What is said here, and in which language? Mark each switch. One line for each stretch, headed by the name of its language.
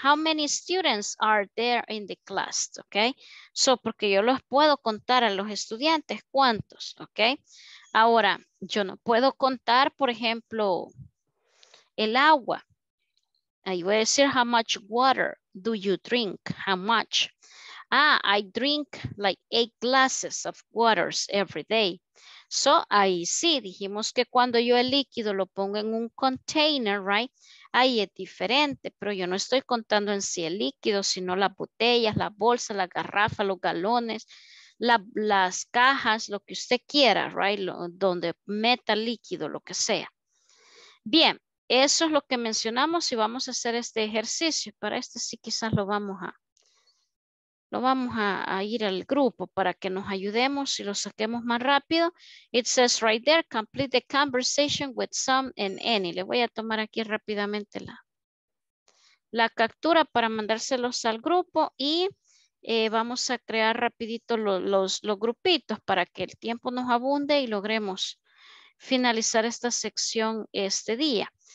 English: How many students are there in the class, okay?
Spanish: So, porque yo los puedo contar a los estudiantes, ¿cuántos? Okay? Ahora, yo no puedo contar, por ejemplo, el agua. Ahí voy a decir,
English: how much water do you drink? How much? Ah, I drink like 8 glasses of waters every day.
Spanish: So, ahí sí, dijimos que cuando yo el líquido lo pongo en un container, right? Ahí es diferente, pero yo no estoy contando en sí el líquido, sino las botellas, las bolsas, las garrafas, los galones, las cajas, lo que usted quiera, right? Donde meta líquido, lo que sea. Bien, eso es lo que mencionamos y vamos a hacer este ejercicio. Para este sí quizás lo vamos a ir al grupo para que nos ayudemos y lo saquemos más rápido.
English: It says right there, complete the conversation with some and any.
Spanish: Le voy a tomar aquí rápidamente la captura para mandárselos al grupo y vamos a crear rapidito los grupitos para que el tiempo nos abunde y logremos finalizar esta sección este día.